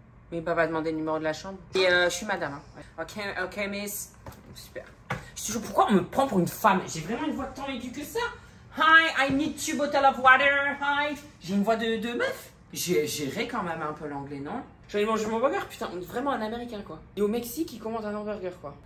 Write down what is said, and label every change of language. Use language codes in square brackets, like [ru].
[fr] Mais papa a demandé le numéro de la chambre. Et je suis madame. Hein. [en] Okay, miss. [fr] Super. Je te jure, pourquoi on me prend pour une femme? J'ai vraiment une voix tant aiguë que ça. [en] Hi, I need 2 bottles of water. Hi. [fr] J'ai une voix de meuf. J'ai quand même un peu l'anglais, non? J'allais manger mon burger, putain. On est vraiment un américain, quoi. Et au Mexique, il commande un hamburger, quoi.